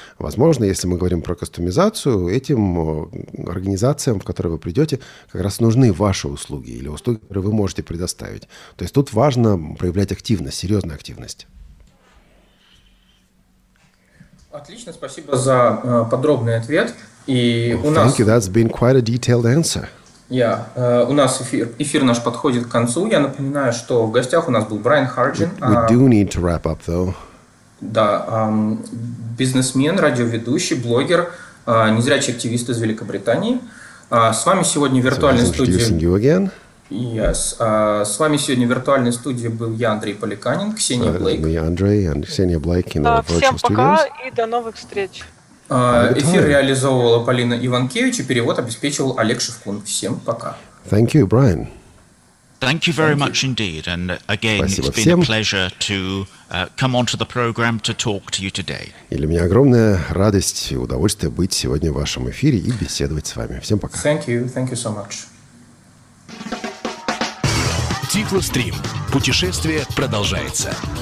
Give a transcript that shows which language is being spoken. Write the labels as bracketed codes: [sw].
[ru] Возможно, если мы говорим про кастомизацию, этим организациям, в которые вы придете, как раз нужны ваши услуги или услуги, которые вы можете предоставить. То есть тут важно проявлять активность, серьезную активность. Отлично, спасибо за подробный ответ. И [en] Thank you, that's been quite a detailed answer. [ru] Yeah, у нас эфир наш подходит к концу. Я напоминаю, что в гостях у нас был Брайан Харджин. [en] We do need to wrap up, though. [ru] Да, бизнесмен, радиоведущий, блогер, незрячий активист из Великобритании. С вами сегодня в виртуальной студии... С вами сегодня в виртуальной студии был я, Андрей Поликанин, Ксения Блейк. Всем пока [en] studios. [ru] И до новых встреч. Эфир реализовывала Полина Иванкевич, и перевод обеспечивал Олег Шевкун. Всем пока. [en] Thank you, Brian. Thank you very much indeed. And again, [ru] Спасибо [en] it's been [ru] всем. [en] A pleasure to come onto the program to talk to you today. [ru] И для меня огромная радость и удовольствие быть сегодня в вашем эфире и беседовать с вами. Всем пока. [en] Thank you so much. [ru] Тифлострим. Путешествие продолжается.